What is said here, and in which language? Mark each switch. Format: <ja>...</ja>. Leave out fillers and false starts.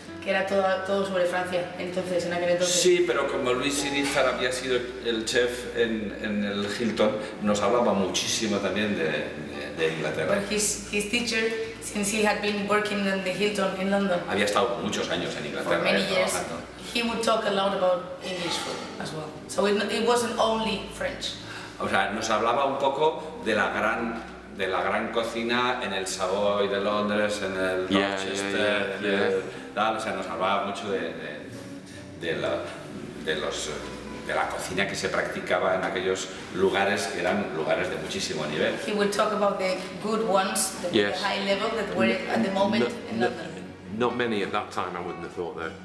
<es>Que era todo sobre Francia, entonces, en aquel entonces. Sí, pero como Luis Irizar había sido el chef en el Hilton, nos hablaba muchísimo también de Inglaterra.</es> <en>But his teacher, since he had been working in the Hilton in London.</en> <es>Había estado muchos años en Inglaterra.</es> <en>For many years, he would talk a lot about English food as well. So it wasn't only French.</en> <es>O sea, nos hablaba un poco de la gran cocina en el Savoy de Londres, en el Dorchester, o sea, nos hablaba mucho de la cocina que se practicaba en aquellos lugares que eran lugares de muchísimo nivel.</es> <en>He would talk about the good ones, the high level that were at the moment in London. Not many at that time, I wouldn't have thought that.</en>